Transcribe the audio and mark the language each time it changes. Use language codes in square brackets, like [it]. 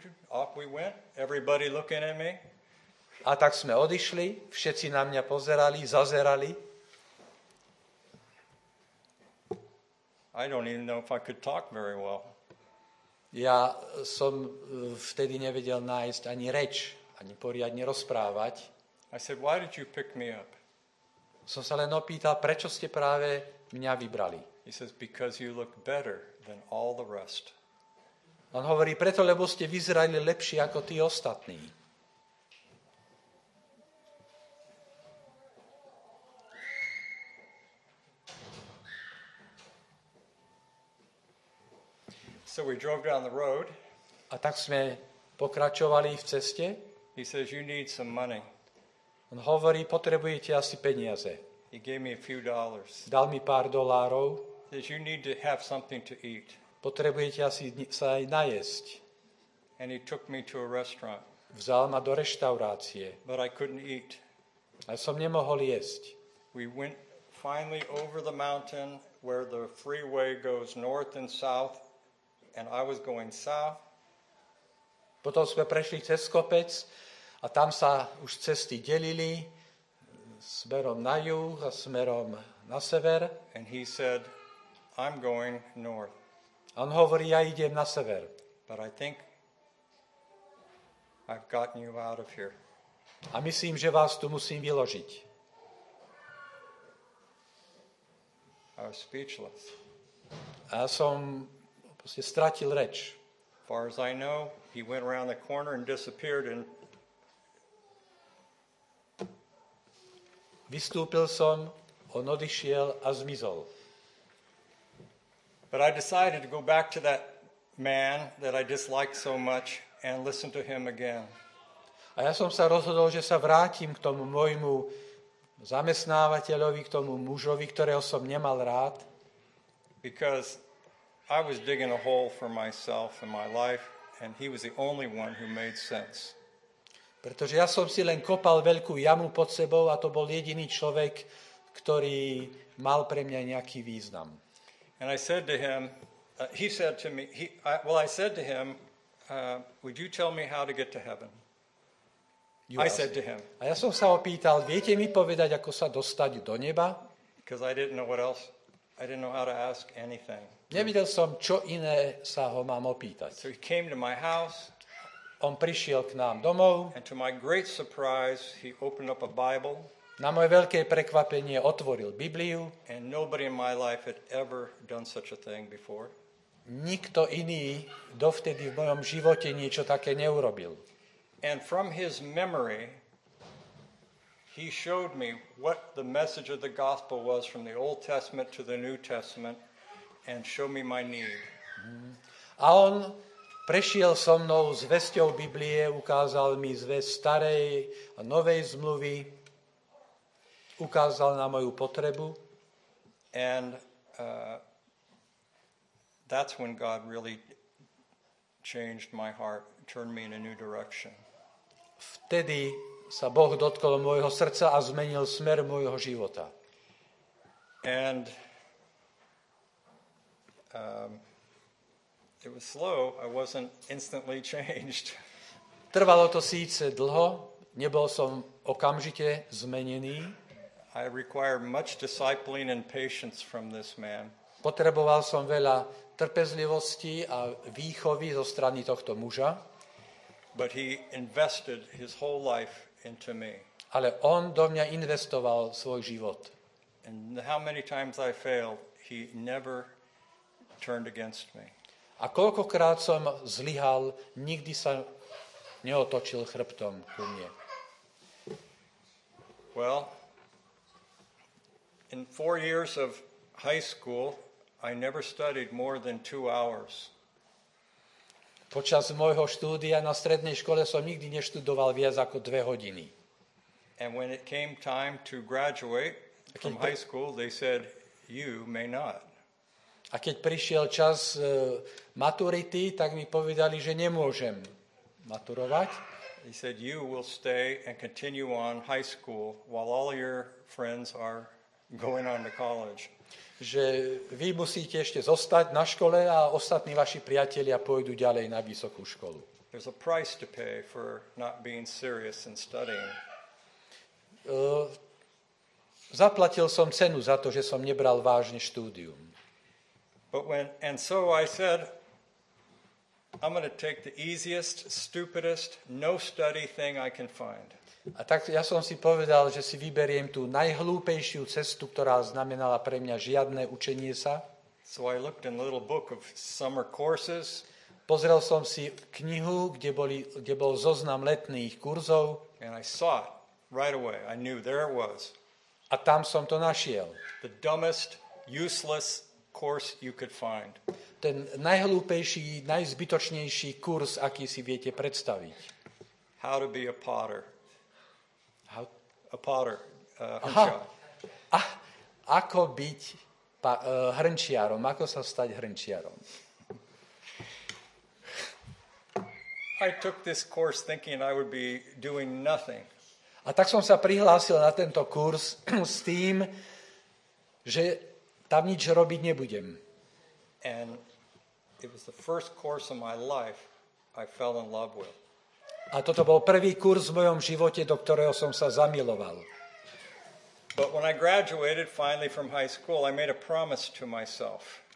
[en] Off we went. Everybody looking at me. [sk] A tak sme odišli, všetci na mňa pozerali, zazerali. [en] I don't even know if I could talk very well. [sk] Ja som vtedy nevedel nájsť ani reč, ani poriadne rozprávať. [en] I said, why did you pick me up? [sk] Som sa len opýtal, prečo ste práve mňa vybrali. [en] He says, because you look better than all the rest. [sk] On hovorí, preto, lebo ste vyzerali lepšie ako tí ostatní. [en] So we drove down the road. [sk] A tak sme pokračovali v ceste. [en] He says, you need some money. [sk] On hovorí, potrebujete asi peniaze. [en] He gave me a few dollars. [sk] Dal mi pár dolárov. [en] He says, you need to have something to eat. [sk] Potrebujete asi sa aj najesť. [en] And he took me to a restaurant. [sk] Vzal ma do reštaurácie. [en] But I couldn't eat. [sk] A som nemohol jesť. [en] We went finally over the mountain where the freeway goes north and south. And I was going south. [sk] Potom sme prešli cez kopec a tam sa už cesty delili smerom na juh a smerom na sever. [en] And he said, I'm going north. [sk] On hovorí, ja idem na sever. [en] But I think I've gotten you out of here. [sk] A myslím, že vás tu musím vyložiť. [en] I was speechless. [sk] A som si stratil reč. [en] Far as I know, he went around the corner and disappeared and [sk] vystúpil som, on odišiel a zmizol. [en] But I decided to go back to that man that I disliked so much and listen to him again. [sk] A ja som sa rozhodol, že sa vrátim k tomu môjmu zamestnávateľovi, k tomu mužovi, ktorého som nemal rád. [en] Because I was digging a hole for myself and my life and he was the only one who made sense. [sk] Pretože ja som si len kopal veľkú jamu pod sebou a to bol jediný človek, ktorý mal pre mňa nejaký význam. [en] And I said to him, would you tell me how to get to heaven? I said to him. [sk] A ja som sa opýtal, viete mi povedať, ako sa dostať do neba? [en] Because I didn't know what else. I didn't know how to ask anything. [sk] Nevidel som, čo iné sa ho mám opýtať. [en] So he came to my house. [sk] On prišiel k nám domov. [en] And to my great surprise, he opened up a Bible. [sk] Na moje veľké prekvapenie otvoril Bibliu. [en] And nobody in my life had ever done such a thing before. [sk] Nikto iný dovtedy v mojom živote niečo také neurobil. [en] And from his memory, he showed me what the message of the gospel was from the Old Testament to the New Testament. And show me my need. [sk] A on prešiel so mnou zvesťou Biblie, ukázal mi zvesť starej a novej zmluvy, ukázal na moju potrebu. [en] And that's when God really changed my heart, turned me in a new direction. [sk] Vtedy sa Boh dotkol môjho srdca a zmenil smer môjho života. [en] And it was slow. I wasn't instantly changed. [sk] Trvalo to síce dlho, nebol som okamžite zmenený. [en] I require much discipline and patience from this man. [sk] Potreboval som veľa trpezlivosti a výchovy zo strany tohto muža. [en] But he invested his whole life into me. [sk] Ale on do mňa investoval svoj život. [en] And how many times I failed, he never turned against me. [sk] A koľkokrát som zlyhal, nikdy sa neotočil chrbtom ku mne. [en] Well, in 4 years of high school, I never studied more than 2 hours. [sk] Počas môjho štúdia na strednej škole som nikdy neštudoval viac ako 2 hodiny. [en] And when it came time to graduate from high school, they said you may not. [sk] A keď prišiel čas maturity, tak mi povedali, že nemôžem maturovať. [en] He said, you will stay and continue on high school while all your friends are going on to college. [sk] Že vy musíte ešte zostať na škole a ostatní vaši priatelia pôjdu ďalej na vysokú školu. [en] There's a price to pay for not being serious and studying. [sk] Zaplatil som cenu za to, že som nebral vážne štúdium. [en] But when and so I said, I'm going to take the easiest, stupidest, no study thing I can find. [sk] A tak ja som si povedal, že si vyberiem tú najhlúpejšiu cestu, ktorá znamenala pre mňa žiadne učenie sa. [en] So I looked in a little book of summer courses. [sk] Pozrel som si knihu, kde bol zoznam letných kurzov. [en] And I saw it right away. I knew there it was. [sk] A tam som to našiel. [en] The dumbest, useless course you could find. [sk] Ten najhlúpejší, najzbytočnejší kurz, aký si viete predstaviť. [en] How to be a potter. A potter. [sk] Ako byť hrnčiarom, ako sa stať hrnčiarom. [en] I took this course thinking I would be doing nothing. [sk] A tak som sa prihlásil na tento kurz s tým, že tam nič robiť nebudem. [en] And it was the first course of my life I fell in love with. [sk] A toto bol prvý kurz v mojom živote, do ktorého som sa zamiloval. [en] But when I graduated finally from high school, I made a promise to myself.